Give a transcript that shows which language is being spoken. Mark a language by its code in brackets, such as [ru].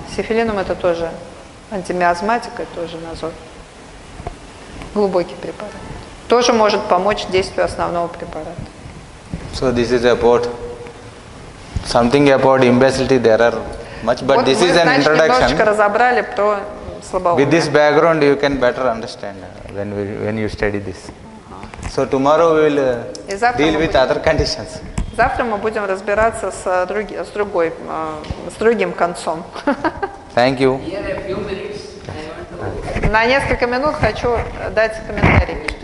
[ru] Сифилинум — это тоже антимиазматика, тоже назор. Глубокий препарат. Тоже может помочь действию основного препарата. [en] So this is about something about imbecility. There are much, but [ru] вот [en] this is an introduction. [ru] Немножечко разобрали про слабоумие. [en] With this background, you can better understand when you study this. So tomorrow we will deal with other conditions. [ru] Завтра мы будем разбираться с другим концом. [en] Thank you. Here a few minutes. [ru] на несколько минут хочу дать комментарий.